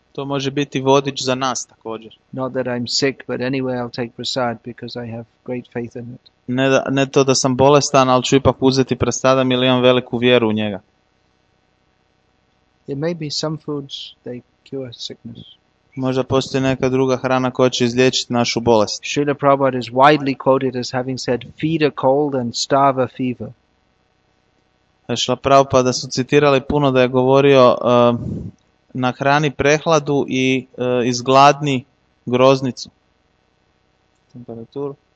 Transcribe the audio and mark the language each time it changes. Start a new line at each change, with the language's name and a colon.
Croatian: To može biti vodič za nas također.
English: Not that I'm sick, but anyway I'll take prasad because I have great faith in it.
Croatian: Ne to da sam bolestan, ali ću ipak uzeti prasadam ili imam veliku vjeru u njega.
English: It may be some foods they cure sickness.
Croatian: Možda postoji neka druga hrana koja će izliječiti našu bolest.
English: Srila Prabhupada is widely quoted as having said, feed a cold and starve a fever.
Croatian: Srila Prabhupada su citirali puno da je govorio na hrani prehladu i izgladni groznicu. Temperature.